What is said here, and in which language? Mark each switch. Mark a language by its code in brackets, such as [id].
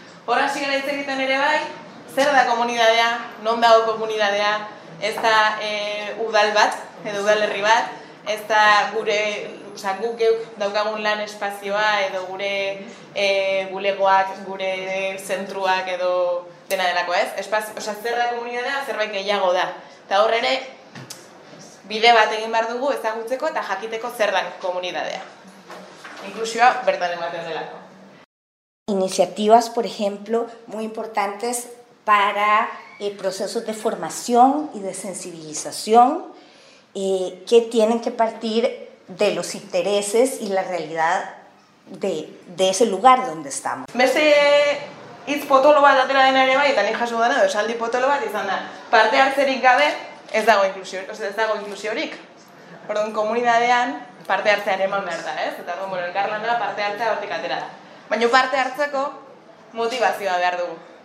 [eu] Horra sigara hitz egiten ere bai, zer da komunitatea, non dago komunitatea, ez da udal bat, edo udalerri bat, ez da gure guk geuk daukagun lan espazioa edo gure bulegoak, gure zentruak edo dena delako, ez? Osa, zer da komunitatea, zerbait gehiago da. Eta hor ere, bide bat egin behar dugu ezagutzeko eta jakiteko zer da komunitatea. Inklusioa bertan ematen delako. [es] Iniciativas, por ejemplo, muy importantes para procesos de formación y de sensibilización que tienen que partir de los intereses y la realidad de ese lugar donde estamos. [eu] Beste hitz potolo bat atera dena ere bai, eta nik jaso dena, esaldi potolo bat izan da. Parte hartzerik gabe ez dago inklusiorik, oza, ez dago inklusiorik. Orduan, komunidadean parte hartzean eman behar da, ez? Eta, bueno, elkarlana parte hartzea hortik atera da. Baina parte hartzeko motivazioa behar dugu.